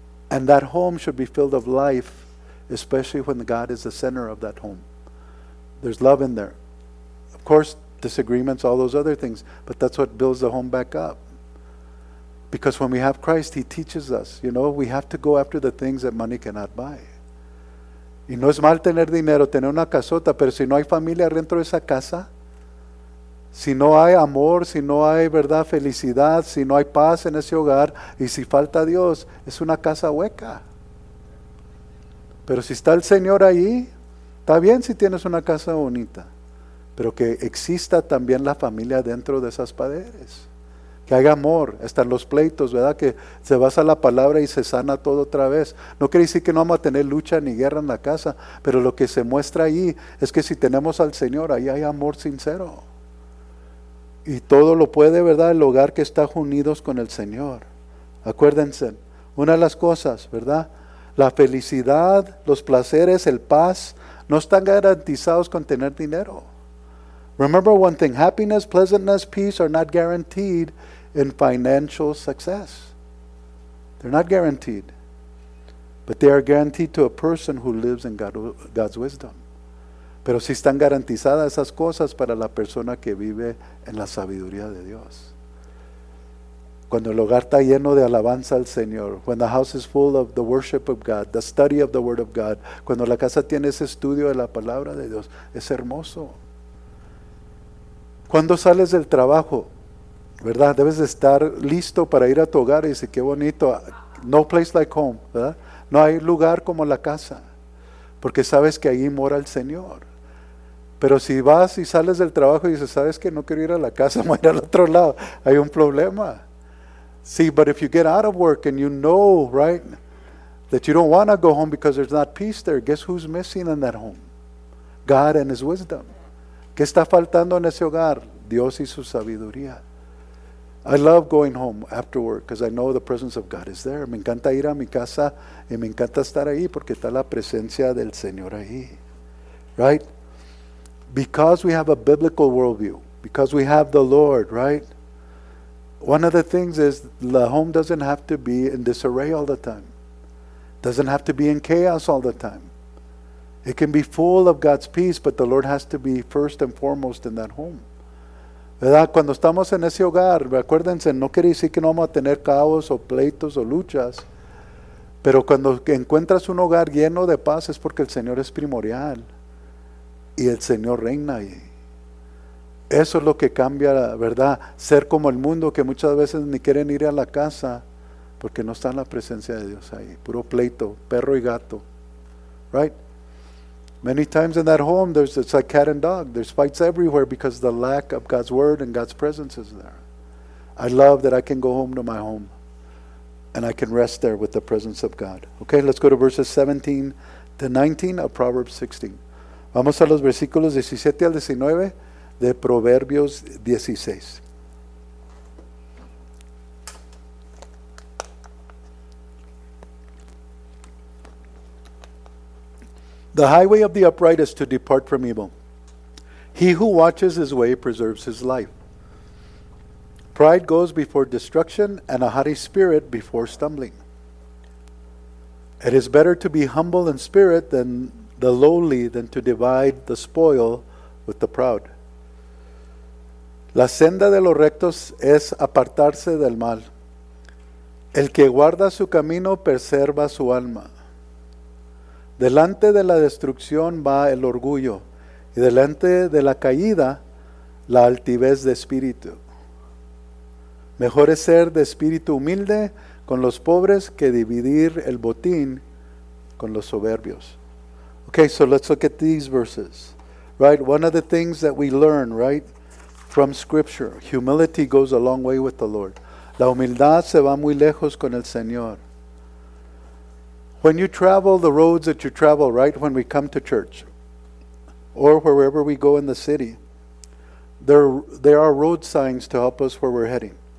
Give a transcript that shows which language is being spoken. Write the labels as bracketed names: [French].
[English] And that home should be filled of life, especially when God is the center of that home. There's love in there. Of course, disagreements, all those other things. But that's what builds the home back up. Because when we have Christ, He teaches us. You know, we have to go after the things that money cannot buy. [Spanish] Y no es mal tener dinero, tener una casota, pero si no hay familia dentro de esa casa, si no hay amor, si no hay verdad, felicidad, si no hay paz en ese hogar, y si falta Dios, es una casa hueca. Pero si está el Señor ahí, está bien si tienes una casa bonita, pero que exista también la familia dentro de esas paredes. Que haya amor, están los pleitos, ¿verdad? Que se basa la palabra y se sana todo otra vez. No quiere decir que no vamos a tener lucha ni guerra en la casa, pero lo que se muestra ahí es que si tenemos al Señor, ahí hay amor sincero. Y todo lo puede, ¿verdad? El hogar que está unidos con el Señor. Acuérdense, una de las cosas, ¿verdad? La felicidad, los placeres, el paz, no están garantizados con tener dinero. [English] Remember one thing, happiness, pleasantness, peace are not guaranteed in financial success. They're not guaranteed. But they are guaranteed to a person who lives in God's wisdom. [Spanish] Pero sí están garantizadas esas cosas para la persona que vive en la sabiduría de Dios. Cuando el hogar está lleno de alabanza al Señor, [English] when the house is full of the worship of God, [Spanish] the study of the word of God, cuando la casa tiene ese estudio de la palabra de Dios, es hermoso. Cuando sales del trabajo, ¿verdad? Debes de estar listo para ir a tu hogar y decir, qué bonito, [English] no place like home, [Spanish] ¿verdad? No hay lugar como la casa, porque sabes que ahí mora el Señor. Pero si vas y sales del trabajo y dices, sabes que no quiero ir a la casa, voy a ir al otro lado, hay un problema. [English] See, but if you get out of work and you know, right, that you don't want to go home because there's not peace there, guess who's missing in that home? God and His wisdom. [Spanish] ¿Qué está faltando en ese hogar? Dios y su sabiduría. [English] I love going home after work because I know the presence of God is there. [Spanish] Me encanta ir a mi casa y me encanta estar ahí porque está la presencia del Señor ahí. [English] Right? Because we have a biblical worldview, because we have the Lord, right? One of the things is the home doesn't have to be in disarray all the time. Doesn't have to be in chaos all the time. It can be full of God's peace, but the Lord has to be first and foremost in that home. [Spanish] ¿Verdad? Cuando estamos en ese hogar, acuérdense, no quiere decir que no vamos a tener caos o pleitos o luchas, pero cuando encuentras un hogar lleno de paz es porque el Señor es primordial y el Señor reina ahí. Eso es lo que cambia, ¿verdad? Ser como el mundo que muchas veces ni quieren ir a la casa porque no está en la presencia de Dios ahí. Puro pleito, perro y gato. [English] Right? Many times in that home, it's like cat and dog. There's fights everywhere because of the lack of God's word and God's presence is there. I love that I can go home to my home and I can rest there with the presence of God. Okay, let's go to verses 17 to 19 of Proverbs 16. [Spanish] Vamos a los versículos 17 al 19 de Proverbios 16. [English] The highway of the upright is to depart from evil. He who watches his way preserves his life. Pride goes before destruction, and a haughty spirit before stumbling. It is better to be humble in spirit than the lowly, than to divide the spoil with the proud. [Spanish] La senda de los rectos es apartarse del mal. El que guarda su camino preserva su alma. Delante de la destrucción va el orgullo, y delante de la caída, la altivez de espíritu. Mejor es ser de espíritu humilde con los pobres que dividir el botín con los soberbios. [English] Okay, so let's look at these verses. Right, one of the things that we learn, right, from Scripture, humility goes a long way with the Lord. [Spanish] La humildad se va muy lejos con el Señor. [English] When you travel the roads that you travel, right, when we come to church or wherever we go in the city, there are road signs to help us where we're heading.